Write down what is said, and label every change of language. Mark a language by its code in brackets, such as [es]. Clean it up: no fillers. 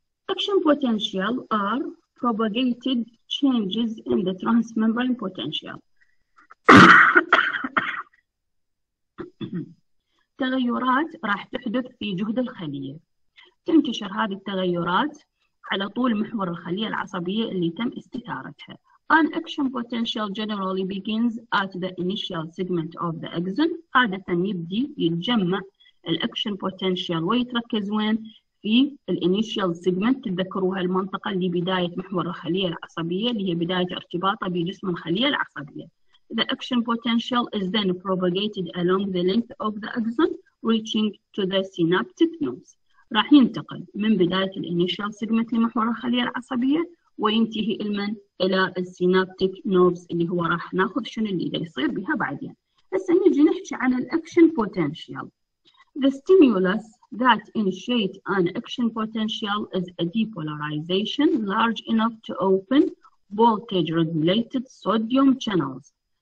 [en] Action potential are propagated changes in the transmembrane potential. [ar] تغيرات راح تحدث في جهد الخليه. تنتشر هذه التغيرات على طول محور الخلية العصبية اللي تم استثارتها. [en] An action potential generally begins at the initial segment of the axon. [ar] عادة يبدي يتجمع الاكشن بوتنشال ويتركز وين؟ في الانيشال سيجمنت. تتذكروها المنطقة اللي بداية محور الخلية العصبية اللي هي بداية ارتباطها بجسم الخلية العصبية. [en] The action potential is then propagated along the length of the axon reaching to the synaptic nodes. [ar] راح ينتقل من بداية الانيشال سيجمنت لمحور الخلية العصبية وينتهي لمن؟ إلى السينابتيك نوفز اللي هو راح ناخذ شنو اللي يصير بها بعدين. هسه نجي نحكي عن الأكشن بوتنشال. [en] The stimulus that initiate an action potential is a depolarization large enough to open voltage regulated sodium channels.